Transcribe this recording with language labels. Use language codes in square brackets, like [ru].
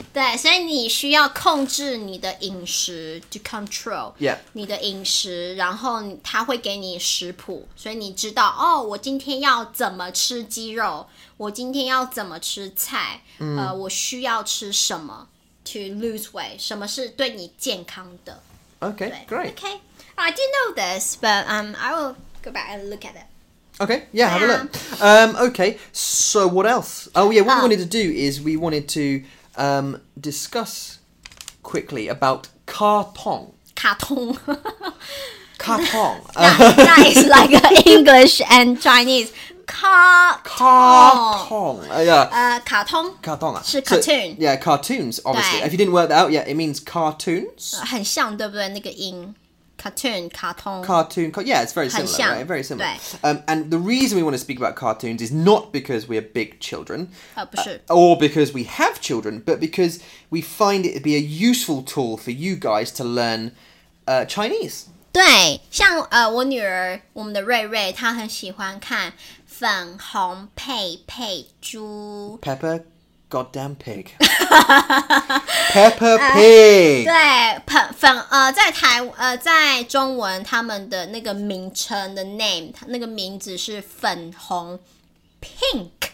[zh] 对, 所以你需要控制你的饮食, [en] to control yeah. [zh] 你的饮食, 然后他会给你食谱, 所以你知道, 哦, 我今天要怎么吃鸡肉, 我今天要怎么吃菜, 我需要吃什么, [en] to lose weight, [zh] 什么是对你健康的。 [en] Okay, [zh] 对, [en] great. Okay, I didn't know this, but I will go back and look at it. Okay, yeah, have a look. Okay, so what else? Oh yeah, what we wanted to do is we wanted to discuss quickly about 卡通. [zh] 卡通. 卡通. [en] That is like English and Chinese. 卡通. Yeah. [zh] 卡通. 卡通. 是 cartoon. [en] So, yeah, cartoons, obviously. If you didn't work that out yet, it means cartoons. [zh] 很像,对不对,那个音。Cartoon, 卡通. [en] Cartoon, yeah, it's very similar, [zh] 很像, [en] right? Very similar. And the reason we want to speak about cartoons is not because we are big children. [zh] 不是. [en] Or because we have children, but because we find it to be a useful tool for you guys to learn Chinese. [zh] 对,像 我女儿,我们的瑞瑞, 她很喜欢看粉红佩佩猪. [en] Pepper? Goddamn pig. Pepper pig. [zh] 对,在中文他们的那个名称的 name, 那个名字是粉红 pink.